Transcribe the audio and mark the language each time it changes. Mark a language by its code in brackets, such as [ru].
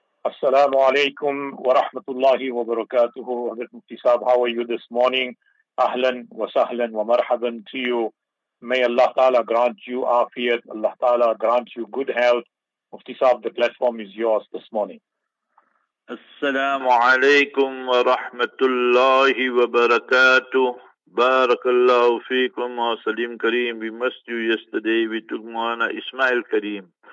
[ar] السلام عليكم ورحمة الله وبركاته. [en] حضرت مفتساب, how are you this morning? أهلا وسهلا ومرحبا to you. May Allah Ta'ala grant you afiyat. Allah Ta'ala grant you good health. مفتساب, the platform is yours this morning. [ar] السلام عليكم ورحمة الله وبركاته. بارك الله فيكم وسليم كريم. [en] We missed you yesterday. We took Moana Ismail Kareem.